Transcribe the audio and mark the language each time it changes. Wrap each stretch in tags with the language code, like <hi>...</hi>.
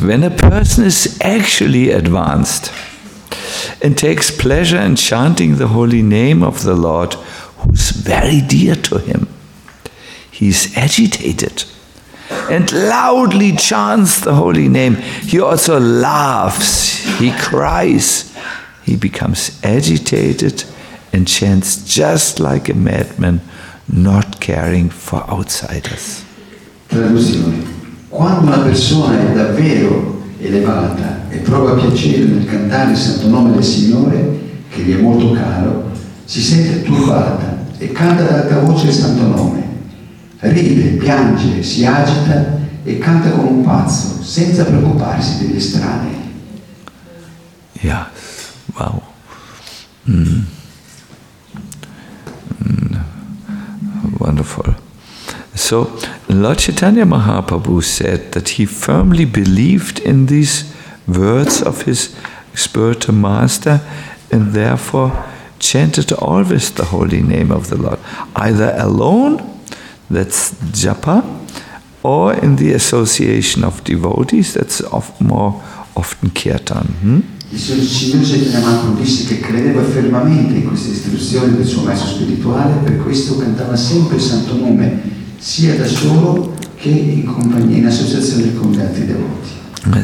<en>When a person is actually advanced and takes pleasure in chanting the holy name of the Lord, who's very dear to him, he's agitated and loudly chants the holy name. He also laughs, he cries, he becomes agitated and chants just like a madman, not caring for outsiders.</en> <it>Traduzione. Quando una persona è davvero elevata e prova piacere nel cantare il santo nome del Signore, che gli è molto caro, si sente turbata e canta ad alta voce il santo nome. Ride, piange, si agita e canta come un pazzo, senza preoccuparsi degli estranei.</it> <en>Yes, wow. Wonderful. So, Lord Chaitanya Mahaprabhu said that he firmly believed in these words of his spiritual master and therefore chanted always the holy name of the Lord, either alone, that's japa, or in the association of devotees, that's more often kirtan.</en> <it>Il signor Chaitanya Mahaprabhu disse che credeva fermamente in queste istruzioni del suo maestro spirituale, per questo cantava sempre il santo nome, sia da solo che in compagnia, in associazione con gli altri devoti.</it>